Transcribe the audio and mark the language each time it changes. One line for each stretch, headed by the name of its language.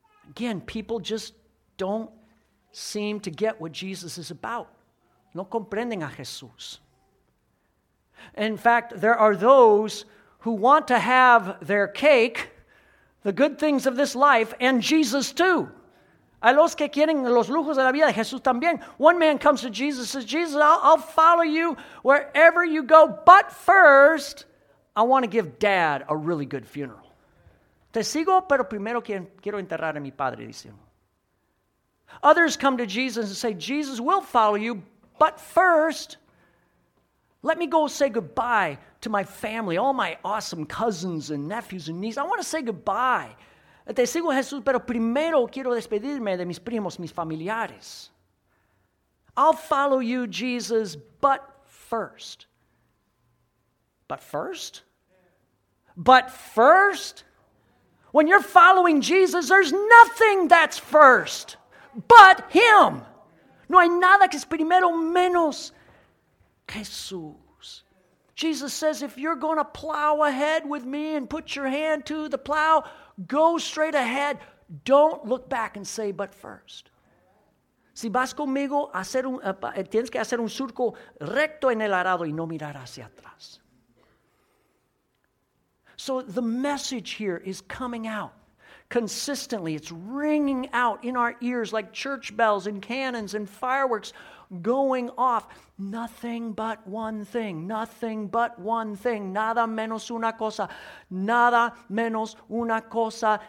English: Again, people just don't seem to get what Jesus is about.
Spanish: No comprenden a Jesús.
English: In fact, there are those who want to have their cake, the good things of this life, and Jesus too.
Spanish: Hay los que quieren los lujos de la vida, Jesús también.
English: One man comes to Jesus and says, "Jesus, I'll follow you wherever you go, but first, I want to give Dad a really good funeral."
Spanish: Te sigo, pero primero quiero enterrar a mi padre, dice uno.
English: Others come to Jesus and say, "Jesus, we'll follow you, but first, let me go say goodbye to my family, all my awesome cousins and nephews and nieces. I want to say goodbye.
Spanish: Te sigo, Jesús, pero primero quiero despedirme de mis primos, mis familiares.
English: I'll follow you, Jesus, but first." But first? But first? When you're following Jesus, there's nothing that's first but him.
Spanish: No hay nada que es primero menos Jesús.
English: Jesus says, if you're going to plow ahead with me and put your hand to the plow, go straight ahead. Don't look back and say, "But first."
Spanish: Si vas conmigo, tienes que hacer un surco recto en el arado y no mirar hacia atrás.
English: So the message here is coming out consistently. It's ringing out in our ears like church bells and cannons and fireworks going off. Nothing but one thing. Nothing but one thing.
Spanish: Nada menos una cosa. Nada menos una cosa.